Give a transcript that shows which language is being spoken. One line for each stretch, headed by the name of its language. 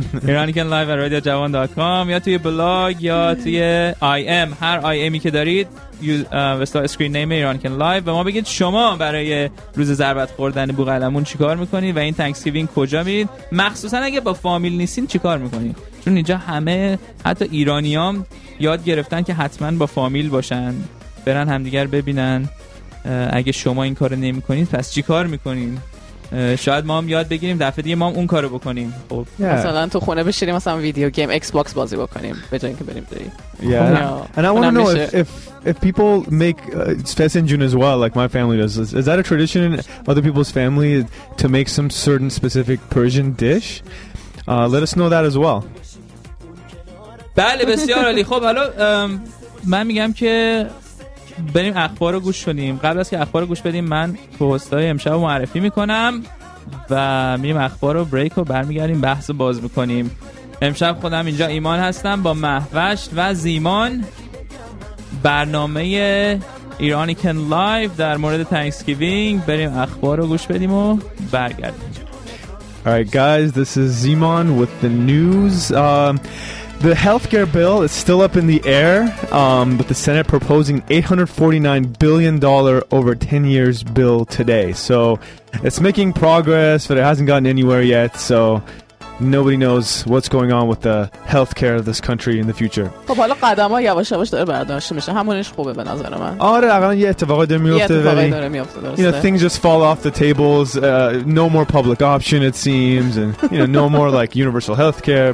Persian: Iranican live at radiojavan.com یا توی بلاگ یا توی IM هر IMی که دارید وستای سکرین نیم Iranican live و ما بگید شما برای روز ضربت خوردن بوقلمون چیکار میکنید و این تنکسگیوینگ کجا میرید، مخصوصا اگه با فامیل نیستین چیکار میکنید، چون اینجا همه حتی ایرانیام یاد گرفتن که حتما با فامیل باشن برن همدیگر ببینن. اگه شما این کارو نمی‌کنید پس چی کار می‌کنین؟ شاید ما هم یاد بگیریم دفعه دیگه ما هم اون کارو بکنیم. خب مثلا تو خونه بشینیم مثلا ویدیو گیم ایکس باکس بازی بکنیم به جای اینکه بریم دیگه.
English: Yeah. And I want to know if people make fesenjun as well like my family does. Is that a tradition in other people's family to make some certain specific Persian dish? Let us know that as well.
Persian: بله بسیار عالی. خب حالا من میگم که بریم اخبار رو گوش کنیم. قبل از که اخبار رو گوش بدیم من پوستای امشب رو معرفی میکنم و میریم اخبار رو بریک رو برمیگردیم بحث رو باز میکنیم. امشب خودم اینجا ایمان هستم با مهوش و زیمان، برنامه ایرانیکن لایف در مورد تنکسگیوینگ. بریم اخبار رو گوش بدیم و برگردیم.
English: Alright guys, this is Zeman with the news. The healthcare bill is still up in the air, with the Senate proposing $849 billion over 10 years bill today. So it's making progress, but it hasn't gotten anywhere yet. So nobody knows what's going on with the healthcare of this country in the future.
Persian: خب حالا قدم ها یواش یواش داره برداشته میشه. همونش خوبه به نظر من. آره اقلا یه اتفاقی داره میفته.
English: You know, things just fall off the tables. No more public option, it seems. And, you know, no more, like, universal healthcare.